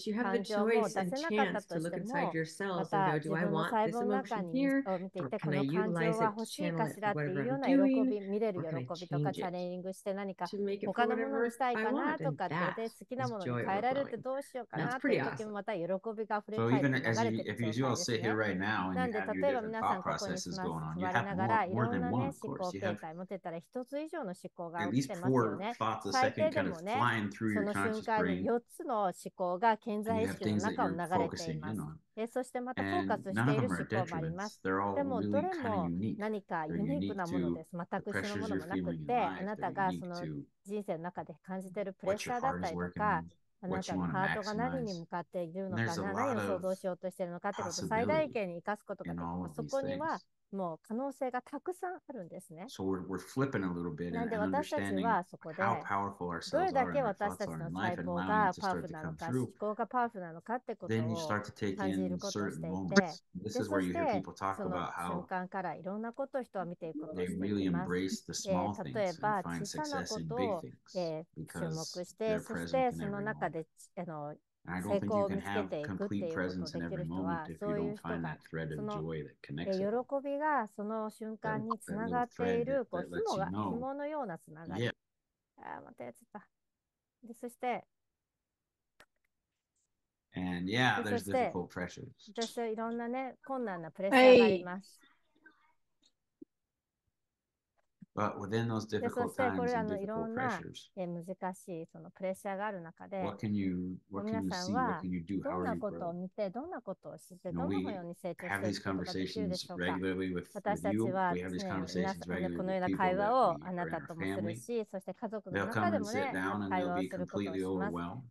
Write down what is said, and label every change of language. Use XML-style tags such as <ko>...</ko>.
<ja>感情も出せなかったとしても、また自分の細胞の中に見ていて、この感情は欲しいかしらっていうような喜び、見れる喜びとか、チャレンジして何か他のものにしたいかなとかって、好きなものに変えられてどうしようかなっていう時も、また喜びが溢れ返って流れてる状態ですね。なんで例えば皆さんここに座りながら、いろんな思考形態持ってたら、一つ以上の思考が起きて</ja> <en>these four thoughts a second kind of flying through your conscious brain. And you have things that you're focusing in on. And none of them are detriments. They're all really kind of unique. They're unique to the pressures you're feeling in life. They're unique to what your heart is working on.</en> <ja>あなたのハートが何に向かっているのか、何を想像しようとしているのかってことを最大限に生かすことができます。そこにはもう可能性がたくさんあるんですね。なので私たちはそこでどれだけ私たちの細胞がパワフルなのか、思考がパワフルなのかってことを感じることをしていて、でそしてその瞬間からいろんなことを人は見ていくことをしています。例えば小さなことを、注目して、そしてその中で成功を見つけていくっていうことをできる人は、そういう人がその喜びがその瞬間につながっているこう紐が紐のようなつながり、ああまたやっちゃった。でそして、そしていろんなね困難なプレッシャーがあります。はい、</ja> <en>But within those difficult times and difficult pressures,</en> <ja>そしてこれ難しいそのプレッシャーがある中で、皆さんはどんなことを見て、どんなことを知って、どんなように成長していくことができるでしょうか。私たちは常にこのような会話をあなたともするし、そして家族の中でもね、会話をすることをします。</ja>